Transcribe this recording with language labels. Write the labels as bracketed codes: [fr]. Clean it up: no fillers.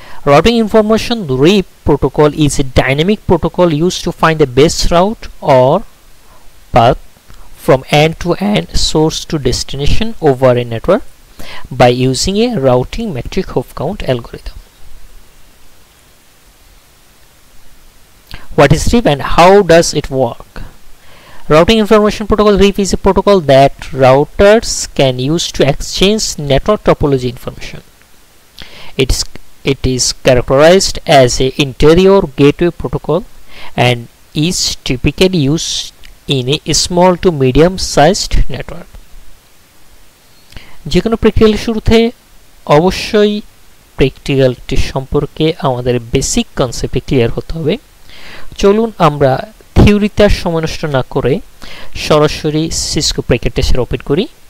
[en] Routing information RIP protocol is a dynamic protocol use to find the best route or path from end-to-end source to destination over a network by using a routing metric hop count algorithm. What is RIP and how does it work? Routing information protocol RIP is a protocol that routers can use to exchange network topology information. It is characterized as an interior gateway protocol and is typically used in a small to medium sized network. [bn] যে কোনো practical শুরুতে অবশ্যই প্র্যাকটিক্যালটি সম্পর্কে আমাদের basic concept clear হতে হবে। চলুন আমরা থিওরিতে আর সময় নষ্ট না করে সরাসরি সিসকো প্যাকেটেসারে ওপেন করি।